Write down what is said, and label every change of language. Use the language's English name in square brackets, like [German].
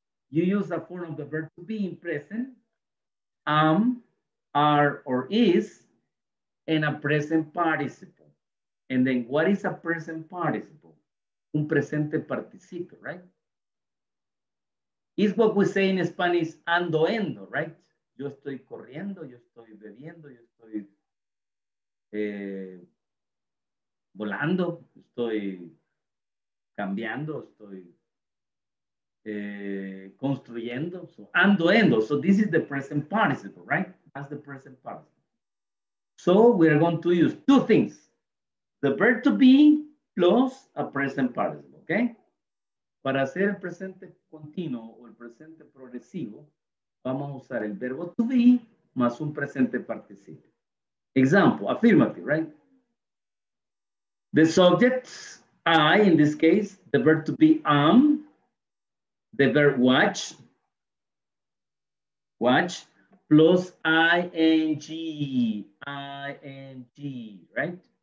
[English] You use a form of the verb to be in present, am, are, or is, and a present participle. And then what is a present participle? [Spanish] Un presente participio, [English] right? It's what we say in Spanish, andoendo, right? [Spanish] Yo estoy corriendo, yo estoy bebiendo, yo estoy volando, estoy cambiando, estoy construyendo. [English] So, andoendo. So this is the present participle, right? That's the present participle. So we are going to use two things. The verb to be plus a present participle, okay? [Spanish] Para hacer el presente continuo o el presente progresivo, vamos a usar el verbo to be más un presente participio. [English] Example, affirmative, right? The subject, I, in this case, the verb to be am, the verb watch, plus ing, ing, right?